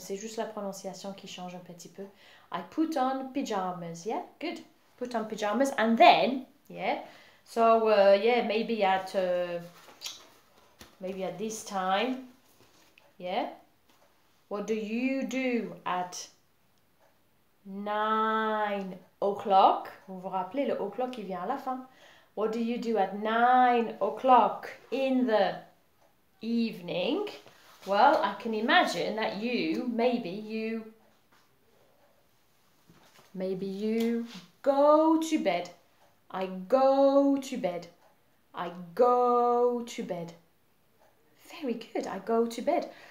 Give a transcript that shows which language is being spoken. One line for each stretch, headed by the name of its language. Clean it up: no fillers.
French: C'est juste la prononciation qui change un petit peu.
English: I put on pyjamas. Yeah, good. Put on pyjamas and then, yeah. So, yeah, maybe at this time, yeah, what do you do at 9 o'clock?
French: Vous vous rappelez, le o'clock, il vient à la fin.
English: What do you do at 9 o'clock in the evening? Well, I can imagine that maybe you go to bed. I go to bed. I go to bed. Very good. I go to bed.